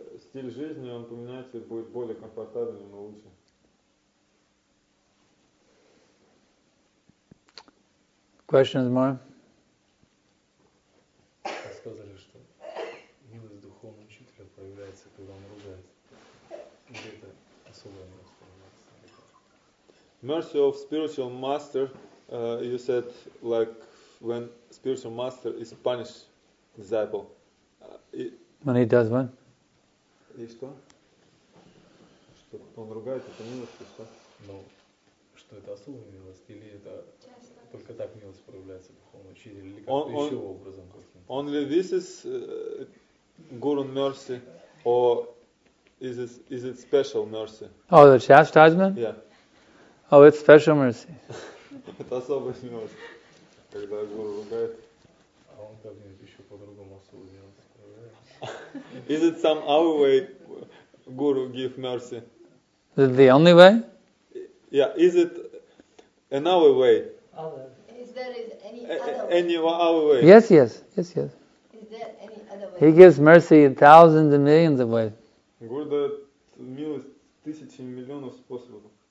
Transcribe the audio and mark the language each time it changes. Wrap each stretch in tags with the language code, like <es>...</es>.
<ru>Стиль жизни, он поменяется и будет более комфортабельным и лучше.</ru> <en>Questions more?</en> <ru>Вы сказали, что милость духовного учителя проявляется, когда он ругает. Где это особое место?</ru> <en>Mercy of spiritual master, you said, like, when spiritual master is punished disciple. When he does what?</en> <ru>И что? Что он ругает, это милость, и что? Ну, что это особая милость, или это только так милость проявляется духовно, или как-то он, еще образом?</ru> <en>Only this is guru mercy, or is it special mercy? Oh, the chastisement? Yeah. Oh, it's special mercy.</en> <ru>Это особая милость, когда гуру ругает. А он как мне еще по-другому особую милость.</ru> <en>Is it some other way guru give mercy? Is it the only way? Yeah, is it another way? Other. Is there any other way? Yes, yes, yes, yes. Is there any other way? He gives mercy in thousands and millions of ways.</en> <ru>Guru дает милость тысячи миллионов способами.</ru>